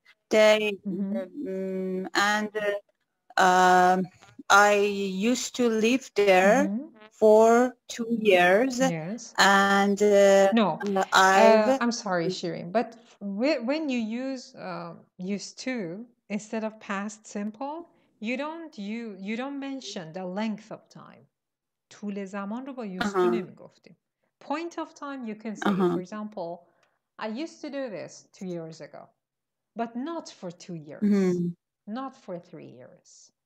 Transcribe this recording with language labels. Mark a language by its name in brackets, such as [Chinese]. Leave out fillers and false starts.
[English] They and I used to live there for 2 years. Yes. And I'm sorry, Shirin, but when you use used to instead of past simple, you don't mention the length of time. [Persian] طول زمان رو با used to نمیگفتیم. [English] Point of time you can say, for example, I used to do this 2 years ago, but not for 2 years, not for 3 years.